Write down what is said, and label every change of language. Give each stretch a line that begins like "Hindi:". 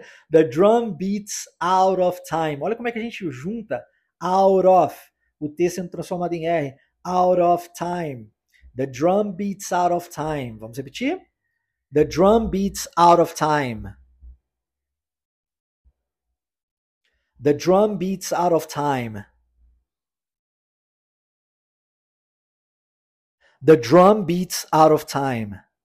English: The drum beats out of time.
Portuguese: Olha como é que a gente junta out of, o T sendo transformado em R,
English: out of time. The drum beats out of time.
Portuguese: Vamos repetir?
English: The drum beats out of time. The drum beats out of time. The drum beats out of time.